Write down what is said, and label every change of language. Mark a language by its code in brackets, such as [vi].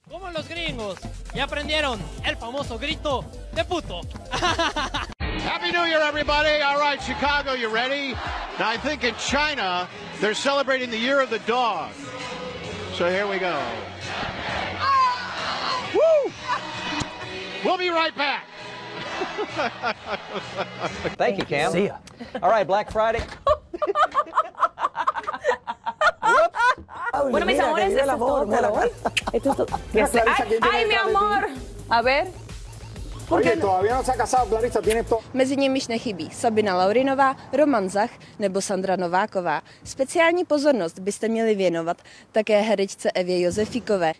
[es] Como los gringos, ya aprendieron el famoso grito de puto. [en] Happy New Year, everybody. All right, Chicago, you ready? Now, I think in China, they're celebrating the year of the dog. So here we go. Woo! We'll be right back. Thank you, Cam. See ya. All right, Black Friday. [es] Bueno, mis amores, esto es todo, todo. Ay, mi amor. A ver. Oye, todavía no se ha casado, Clarisa, tiene esto. [cs] Mezi nimi už nechybí Sabina Laurinová, Roman Zach nebo Sandra Nováková. Speciální pozornost byste měli věnovat také herečce Evě Josefíkové.